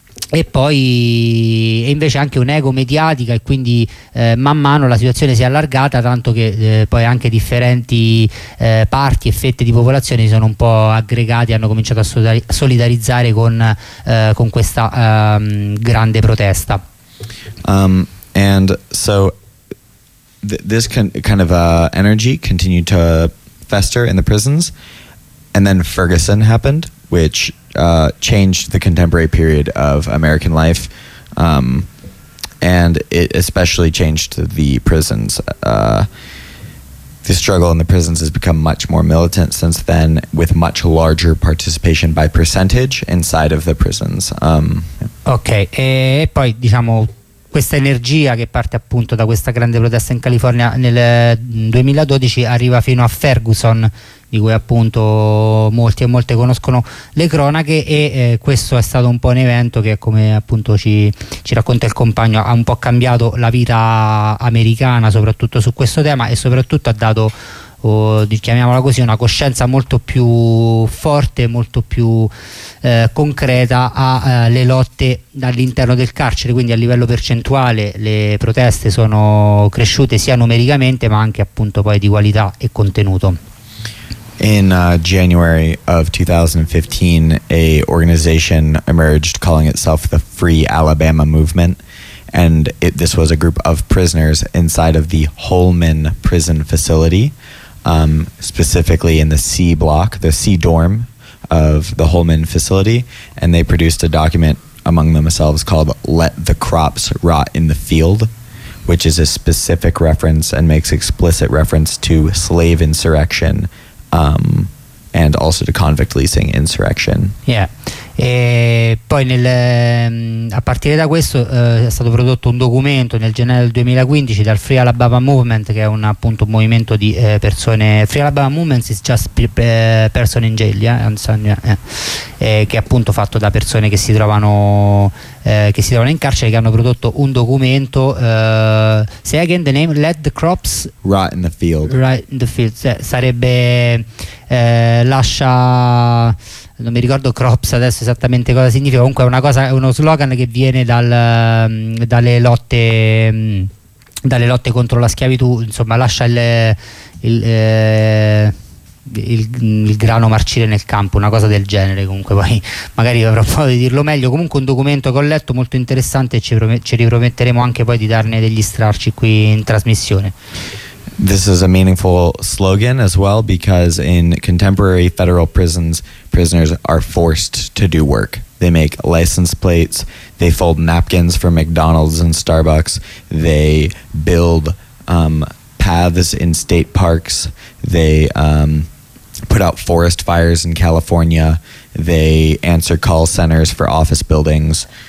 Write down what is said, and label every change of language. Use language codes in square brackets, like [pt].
[it] E poi e invece anche un'eco mediatica, e quindi man mano la situazione si è allargata, tanto che poi anche differenti parti e fette di popolazione si sono un po' aggregati, hanno cominciato a solidarizzare con questa grande protesta. [en] And so this kind of energy continued to fester in the prisons, and then Ferguson happened, which changed the contemporary period of American life, and it especially changed the prisons. The struggle in the prisons has become much more militant since then, with much larger participation by percentage inside of the prisons. [it] E poi diciamo questa energia che parte appunto da questa grande protesta in California nel 2012 arriva fino a Ferguson, di cui appunto molti e molte conoscono le cronache, e questo è stato un po' un evento che, come appunto ci racconta il compagno, ha un po' cambiato la vita americana soprattutto su questo tema, e soprattutto ha dato, chiamiamola così, una coscienza molto più forte, molto più concreta alle lotte all'interno del carcere. Quindi a livello percentuale le proteste sono cresciute sia numericamente ma anche appunto poi di qualità e contenuto. [en] In January of 2015, a organization emerged calling itself the Free Alabama Movement, and this was a group of prisoners inside of the Holman prison facility, specifically in the C block, the C dorm of the Holman facility, and they produced a document among themselves called Let the Crops Rot in the Field, which is a specific reference and makes explicit reference to slave insurrection, and also to convict leasing insurrection. Yeah. [it] E poi a partire da questo è stato prodotto un documento nel gennaio del 2015 dal Free Alabama Movement, che è un appunto un movimento di persone. Free Alabama Movement [en] is just person in jail, [it] che è appunto fatto da persone che si trovano in carcere, che hanno prodotto un documento. [en] Say again the name. Let the crops rot in the field. Right in the field. [it] Sarebbe lascia. Non mi ricordo crops adesso esattamente cosa significa. Comunque è una cosa, è uno slogan che viene dalle lotte contro la schiavitù. Insomma, lascia il grano marcire nel campo, una cosa del genere. Comunque poi magari avrò modo di dirlo meglio. Comunque un documento che ho letto molto interessante, e ci riprometteremo anche poi di darne degli stralci qui in trasmissione. [en] This is a meaningful slogan as well, because in contemporary federal prisons, prisoners are forced to do work. They make license plates, they fold napkins for McDonald's and Starbucks, they build paths in state parks, they put out forest fires in California, they answer call centers for office buildings.